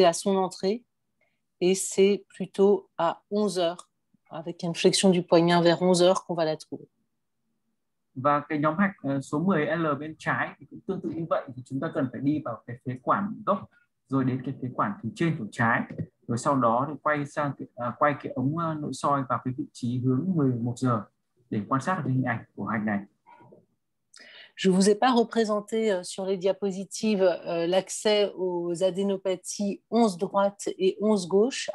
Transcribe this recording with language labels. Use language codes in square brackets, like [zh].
[fr] C'est à son entrée et c'est plutôt à 11 heures, avec une flexion du poignet vers 11 heures qu'on va la trouver. [vi] Và cái nhóm hạch số 10L bên trái thì cũng tương tự như vậy. Thì chúng ta cần phải đi vào cái phế quản gốc rồi đến cái phế quản phía trên của trái. Rồi sau đó thì quay sang quay cái ống nội soi vào cái vị trí hướng 11 giờ để quan sát cái hình ảnh của hạch này. [fr] Je vous ai pas représenté sur les diapositives l'accès aux adénopathies 11 droite et 11 gauche.